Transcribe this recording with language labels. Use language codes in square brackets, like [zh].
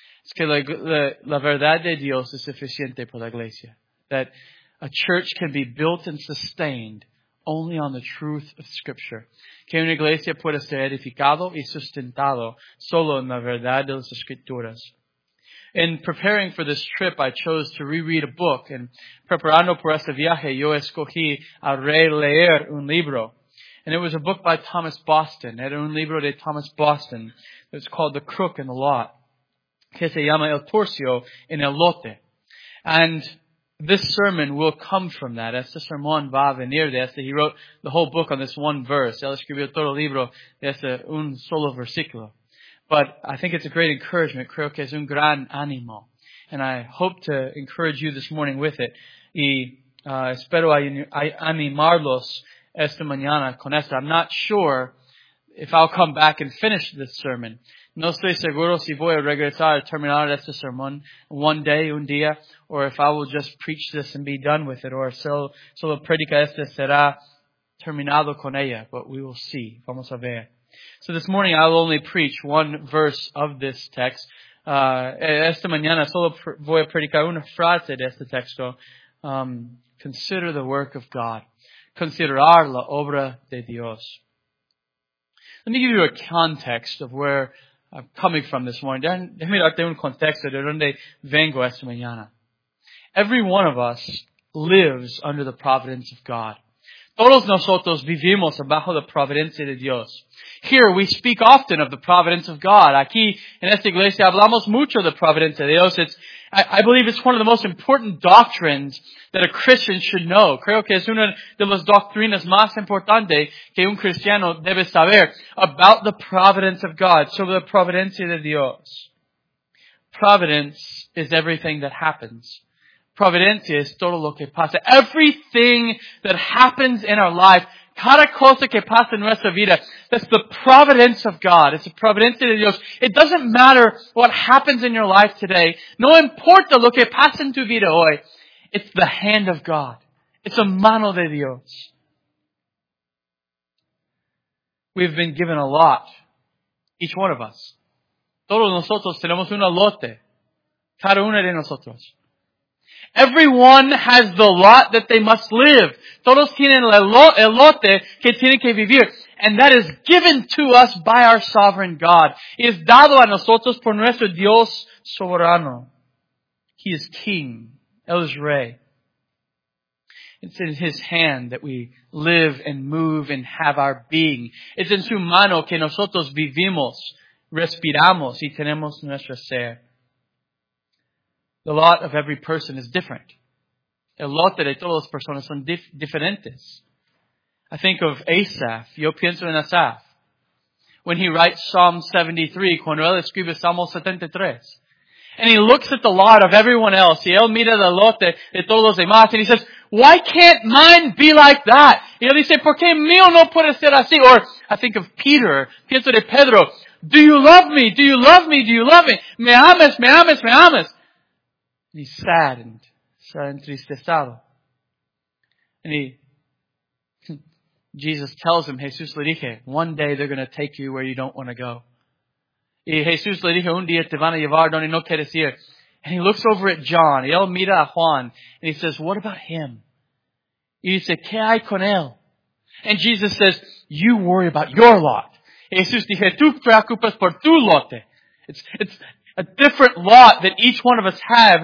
[es] Es que la verdad de Dios es suficiente para la iglesia. [en] That a church can be built and sustained only on the truth of Scripture. [es] Que una iglesia puede ser edificado y sustentado solo en la verdad de las Escrituras. [en] In preparing for this trip, I chose to reread a book. And [es] preparando por este viaje, yo escogí a releer un libro. [en] And it was a book by Thomas Boston. [es] Era un libro de Thomas Boston. [en] It was called The Crook and the Lot. [es] Que se llama El Torcio en el Lote. [en] And this sermon will come from that. [es] Este sermón va a venir de este. [en] He wrote the whole book on this one verse. [es] Él escribió todo el libro de este un solo versículo. [en] But I think it's a great encouragement. [es] Creo que es un gran ánimo. [en] And I hope to encourage you this morning with it. [es] Y espero animarlos esta mañana con esto. [en] I'm not sure if I'll come back and finish this sermon. [es] No estoy seguro si voy a regresar a terminar este sermón [en] one day, [es] un día, [en] or if I will just preach this and be done with it, [es] or solo predica esta será terminado con ella. [en] But we will see. [es] Vamos a ver. [en] So this morning I'll only preach one verse of this text. [es] Esta mañana solo voy a predicar una frase de este texto. [en] Consider the work of God. [es] Considerar la obra de Dios. [en] Let me give you a context of where I'm coming from this morning. [es] Déjame darte un contexto de donde vengo esta mañana. [en] Every one of us lives under the providence of God. [es] Todos nosotros vivimos bajo la providencia de Dios. [en] Here we speak often of the providence of God. [es] Aquí en esta iglesia hablamos mucho de la providencia de Dios. [en] It's I believe it's one of the most important doctrines that a Christian should know. [es] Creo que es una de las doctrinas más importantes que un cristiano debe saber [en] about the providence of God, [es] sobre la providencia de Dios. [en] Providence is everything that happens. [es] Providencia es todo lo que pasa. [en] Everything that happens in our life, [es] cada cosa que pasa en nuestra vida, [en] that's the providence of God. It's the [es] providencia de Dios. [en] It doesn't matter what happens in your life today. [es] No importa lo que pasa en tu vida hoy. [en] It's the hand of God. It's a [es] mano de Dios. [en] We've been given a lot. Each one of us. [es] Todos nosotros tenemos una lote. Cada uno de nosotros. [en] Everyone has the lot that they must live. [es] Todos tienen el lote que tienen que vivir. [en] And that is given to us by our sovereign God. [es] Es dado a nosotros por nuestro Dios soberano. [en] He is king. [es] El es rey. [en] It's in his hand that we live and move and have our being. It's in [es] su mano que nosotros vivimos, respiramos y tenemos nuestro ser. [en] The lot of every person is different. [es] El lote de todas las personas son diferentes. [en] I think of Asaph. [es] Yo pienso en Asaph. [en] When he writes Psalm 73, [es] cuando él escribe Salmo 73. [en] And he looks at the lot of everyone else. [es] Y él mira el lote de todos los demás. [en] And he says, why can't mine be like that? [es] Y él dice, ¿por qué mío no puede ser así? [en] Or I think of Peter. [es] Pienso de Pedro. [en] Do you love me? Do you love me? Do you love me? [es] Me ames, me ames, me ames. [en] And he's saddened, entristecido. And Jesus tells him, [es] Jesús le dije, [en] one day they're going to take you where you don't want to go. [es] Y Jesús le dije, un día te van a llevar donde no quieres ir. [en] And he looks over at John, [es] y él mira a Juan, [en] and he says, what about him? [es] Y dice, ¿qué hay con él? [en] And Jesus says, you worry about your lot. [es] Jesús dice, tú preocupas por tu lote. [en] It's a different lot that each one of us have.